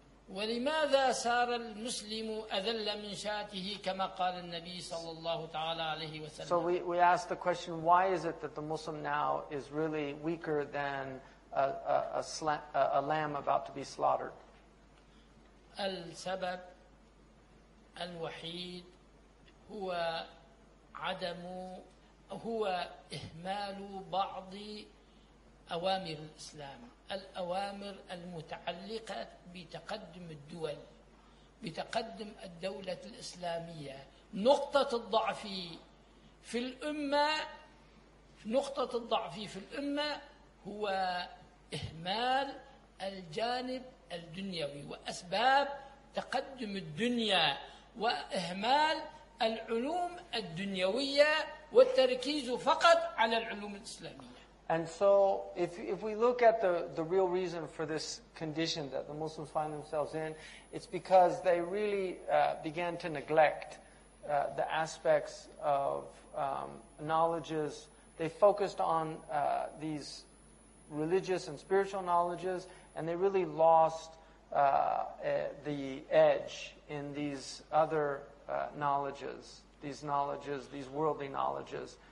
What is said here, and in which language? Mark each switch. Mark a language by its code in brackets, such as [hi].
[ar] ولماذا سار المسلم أذل من شاته كما قال النبي صلى الله تعالى عليه وسلم. [en] So we ask the question, why is it that the Muslim now is really weaker than a lamb about to be slaughtered? [ar] السبب الوحيد هو عدم هو إهمال بعض أوامر الإسلام الأوامر المتعلقة بتقدم الدول بتقدم الدولة الإسلامية. نقطة الضعف في الأمة هو إهمال الجانب الدنيوي وأسباب تقدم الدنيا وإهمال العلوم الدنيوية والتركيز فقط على العلوم الإسلامية. [en] And so if we look at the real reason for this condition that the Muslims find themselves in, it's because they really began to neglect the aspects of knowledges. They focused on these religious and spiritual knowledges, and they really lost the edge in these other knowledges, these worldly knowledges.